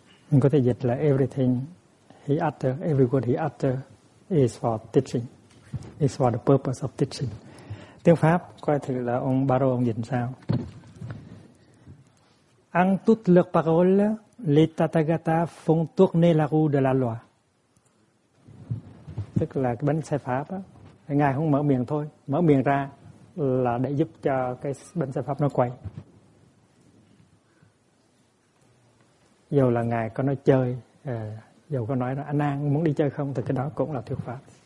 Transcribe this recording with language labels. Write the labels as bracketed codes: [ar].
[vi] Mình có thể dịch là [en] everything he utter, every word he utter is for teaching, is for the purpose of teaching. [vi] Tiếng Pháp coi thử là ông Baro ông dịch sao? [fr] En toutes leurs paroles, les Tathagata font tourner la roue de la loi. [vi] Tức là cái bánh xe Pháp á, ngài không mở miệng thôi, mở miệng ra là để giúp cho cái bánh xe Pháp nó quay. Dù là ngài có nói chơi, dù có nói là anh An muốn đi chơi không, thì cái đó cũng là thuyết pháp.